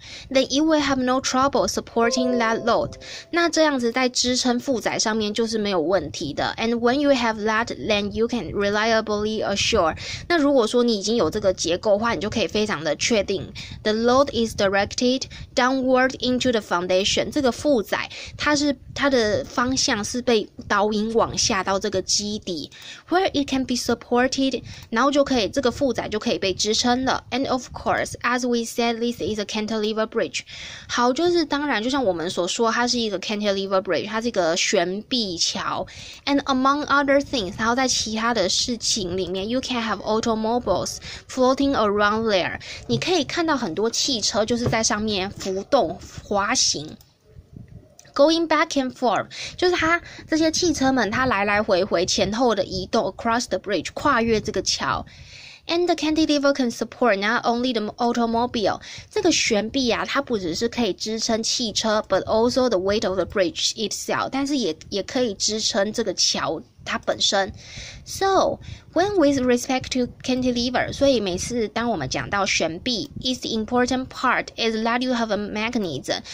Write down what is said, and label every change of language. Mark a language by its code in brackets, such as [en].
[en] Then you will have no trouble supporting that load. [zh] 那这样子在支撑负载上面就是没有问题的。 [en] And when you have that, then you can reliably assure. [zh] 那如果说你已经有这个结构的话，你就可以非常的确定 [en] the load is directed downward into the foundation. [zh] 这个负载它的方向是被导引往下到这个基底 ， [en] where it can be supported. [zh] 然后就可以这个负载就可以被支撑了。 [en] And of course, as we said, this is a cantilever. [zh] Bridge. 好，就是当然，就像我们所说，它是一个 cantilever bridge， 它是一个悬臂桥。 [en] And among other things， [zh] 然后在其他的事情里面 [en] ，you can have automobiles floating around there。 [zh] 你可以看到很多汽车就是在上面浮动、滑行。 [en] Going back and forth， [zh] 就是它这些汽车们，它来来回回前后的移动 [en] across the bridge， [zh] 跨越这个桥。 [en] And the cantilever can support not only the automobile. [zh] 这个悬臂啊，它不只是可以支撑汽车 ， [en] but also the weight of the bridge itself. [zh] 但是也可以支撑这个桥它本身。 [en] So when with respect to cantilever, [zh] 所以每次当我们讲到悬臂 [en] ，is the important part is that you have a mechanism.